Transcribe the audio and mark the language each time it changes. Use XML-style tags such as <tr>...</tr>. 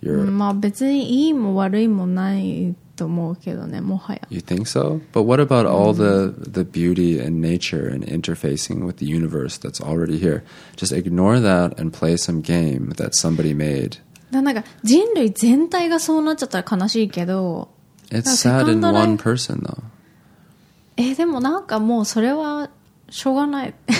<ja>まあ別にいいも悪いもないと思うけどね、もはや。</ja> <en>You think so? But what about all the beauty and nature and interfacing with the universe that's already here? Just ignore that and play some game that somebody made.</en> <ja>なんか人類全体がそうなっちゃったら悲しいけど。</ja> <en>It's sad in one person though.</en> <ja>でもなんかもうそれはしょうがない。</ja>